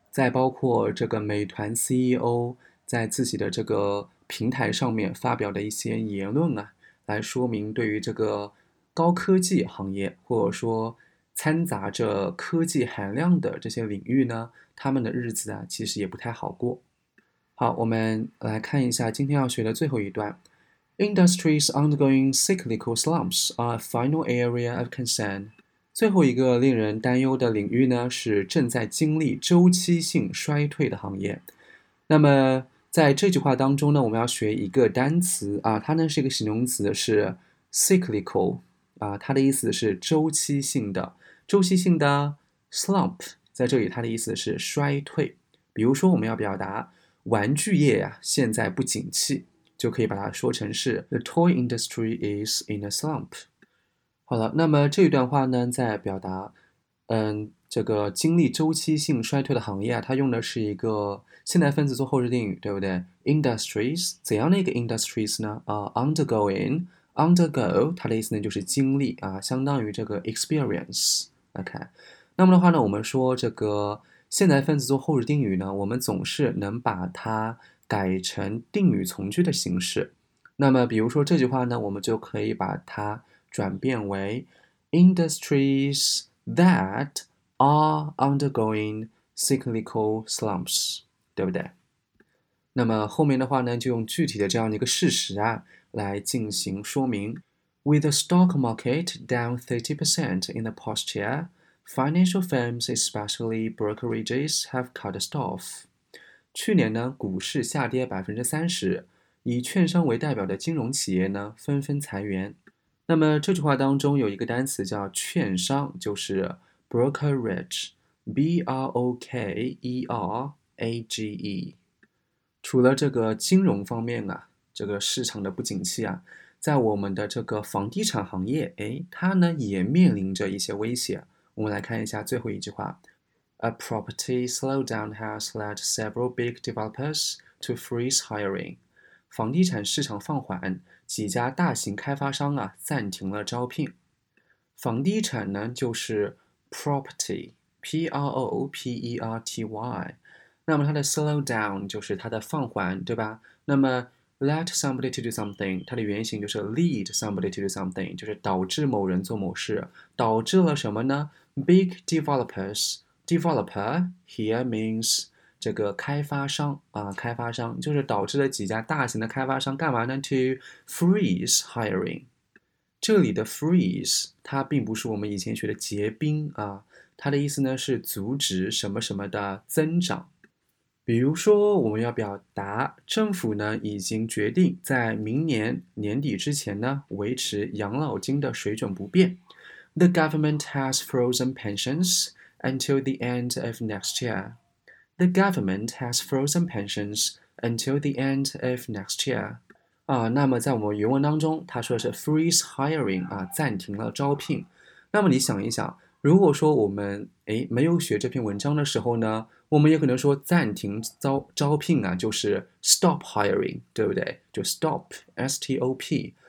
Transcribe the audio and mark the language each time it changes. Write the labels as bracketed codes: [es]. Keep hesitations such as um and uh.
[zh] 再包括这个美团 CEO 在自己的这个平台上面发表的一些言论啊，来说明对于这个高科技行业或者说掺杂着科技含量的这些领域呢，他们的日子啊，其实也不太好过。好，我们来看一下今天要学的最后一段： [en] Industries undergoing cyclical slumps are a final area of concern. [zh] 最后一个令人担忧的领域呢，是正在经历周期性衰退的行业。那么在这句话当中呢，我们要学一个单词啊，它呢是一个形容词，是 cyclical 啊，它的意思是周期性的。周期性的 slump 在这里它的意思是衰退。比如说我们要表达玩具业呀、啊、现在不景气，就可以把它说成是 [en] The toy industry is in a slump。 [zh] 好了，那么这一段话呢，在表达，嗯，这个经历周期性衰退的行业啊，它用的是一个现代分词做后置定语，对不对？Industries 怎样的一个 industries 呢？啊、uh,，undergoing，undergo，它的意思呢就是经历啊，相当于这个 experience、okay。 OK，那么的话呢，我们说这个现在分词做后置定语呢，我们总是能把它改成定语从句的形式。那么比如说这句话呢，我们就可以把它。 [en] 转变为 industries that are undergoing cyclical slumps，对不对？ [zh] 那么后面的话呢，就用具体的这样的一个事实啊来进行说明。 [en] With the stock market down thirty percent in the past year, financial firms, especially brokerages, have cut staff. [zh] 去年呢，股市下跌百分之三十，以券商为代表的金融企业呢，纷纷裁员。那么这句话当中有一个单词叫“券商”，就是 brokerage，b r o k e r a g e。除了这个金融方面啊，这个市场的不景气啊，在我们的这个房地产行业，哎，它呢也面临着一些威胁。我们来看一下最后一句话： [en] A property slowdown has led several big developers to freeze hiring。 [zh] 房地产市场放缓。几家大型开发商啊暂停了招聘。房地产呢，就是 property，p r o o p e r t y。那么它的 slow down 就是它的放缓，对吧？那么 [en] let somebody to do something， [zh] 它的原型就是 [en] lead somebody to do something， [zh] 就是导致某人做某事。导致了什么呢？ [en] Big developers，developer here means。 [zh] 这个开发商啊、呃，开发商就是导致了几家大型的开发商干嘛呢？ [en] To freeze hiring， [zh] 这里的 freeze 它并不是我们以前学的结冰啊、呃，它的意思呢是阻止什么什么的增长。比如说，我们要表达政府呢已经决定在明年年底之前呢维持养老金的水准不变。 [en] The government has frozen pensions until the end of next year. The government has frozen pensions until the end of next year。 [zh] 啊，那么在我们原文当中，他说的是 freeze hiring 啊，暂停了招聘。那么你想一想，如果说我们哎没有学这篇文章的时候呢，我们也可能说暂停招招聘啊，就是 stop hiring，对不对？就 stop s t o p。